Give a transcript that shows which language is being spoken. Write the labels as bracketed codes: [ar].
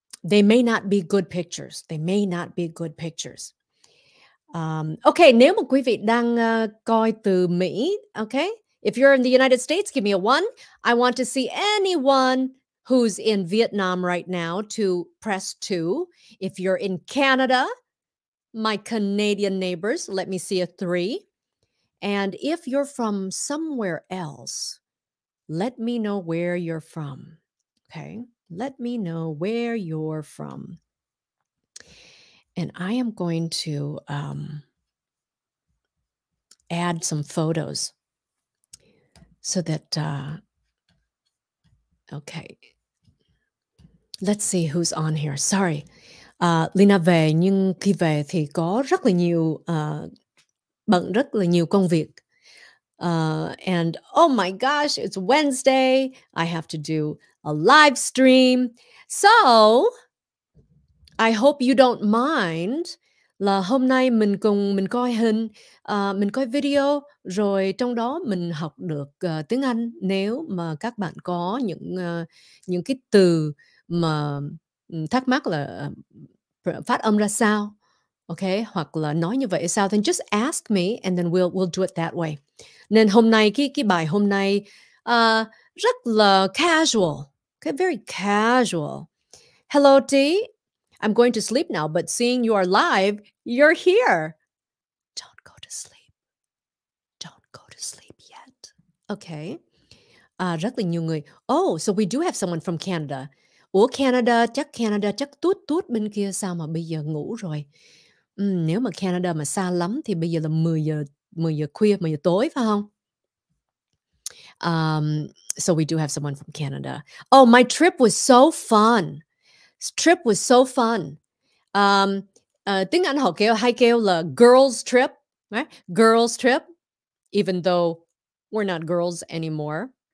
[en] they may not be good pictures. [vi] Okay, nếu mà quý vị đang coi từ Mỹ, okay? [en] If you're in the United States, give me a one. I want to see anyone who's in Vietnam right now to press two. If you're in Canada, my Canadian neighbors, let me see a three. And if you're from somewhere else, let me know where you're from. Okay? Let me know where you're from. And I am going to add some photos. So that, okay, let's see who's on here. [vi] Sorry, Leyna về, nhưng khi về thì có rất là nhiều, bận rất là nhiều công việc. [en] And oh my gosh, it's Wednesday. I have to do a live stream. So, I hope you don't mind. [vi] Là hôm nay mình cùng mình coi hình, mình coi video, rồi trong đó mình học được tiếng Anh. Nếu mà các bạn có những cái từ mà thắc mắc là phát âm ra sao, okay, hoặc là nói như vậy sao, [en] then just ask me and then we'll do it that way. [vi] Nên hôm nay cái bài hôm nay rất là casual, okay, [en] very casual. Hello, T. I'm going to sleep now, but seeing you are live, you're here. Don't go to sleep. Don't go to sleep yet. Okay. [vi] Rất là nhiều người. [en] Oh, so we do have someone from Canada. [vi] Ủa Canada, chắc tút tút bên kia sao mà bây giờ ngủ rồi. Nếu mà Canada mà xa lắm thì bây giờ là 10 giờ khuya, 10 giờ tối phải không? [en] So we do have someone from Canada. Oh, my trip was so fun. Trip was so fun. [vi] Tiếng Anh họ kêu hay kêu là [en] girls trip, right? Girls trip, even though we're not girls anymore.